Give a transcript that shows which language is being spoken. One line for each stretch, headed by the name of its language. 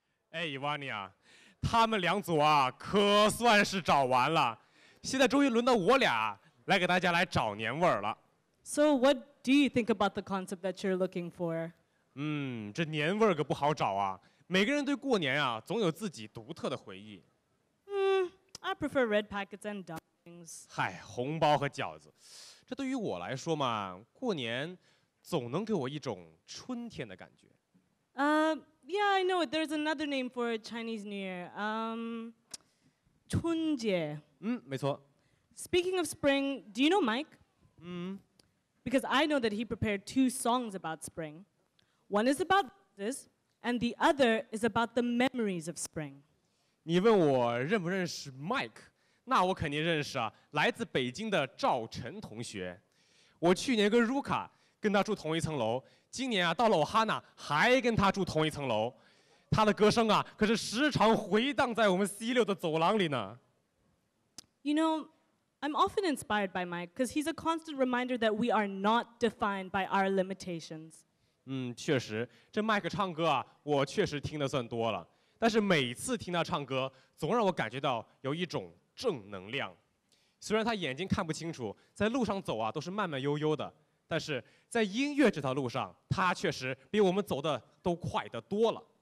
Chinese: 哎，伊万尼啊，他们两组啊可算是找完了，现在终于轮到我俩来给大家来找年味了。
English: So what do you think about the concept that you're looking for?
Chinese: 这年味可不好找啊，每个人对过年啊总有自己独特的回忆。
English: I prefer red packets and dumplings.
Chinese: 嗨，红包和饺子，这对于我来说嘛，过年总能给我一种春天的感觉。
English: Yeah, I know it. There's another name for Chinese New Year. 春节。
Chinese: 没错。
English: Speaking of spring, do you know Mike? Because I know that he prepared two songs about spring. One is about this, and the other is about the memories of spring.
Chinese: 你问我认不认识 Mike? 那我肯定认识啊，来自北京的赵晨同学。我去年跟 Ruka 跟他住同一层楼。今年啊，到了我哈娜还跟他住同一层楼，他的歌声啊，可是时常回荡在我们 C 六的走廊里呢。
English: You know, I'm often inspired by Mike because he's a constant reminder that we are not defined by our limitations.
Chinese: 确实，这 Mike 唱歌啊，我确实听得算多了，但是每次听他唱歌，总让我感觉到有一种正能量。虽然他眼睛看不清楚，在路上走啊，都是慢慢悠悠的。但是在音乐这条路上，他确实比我们走的都快得多了。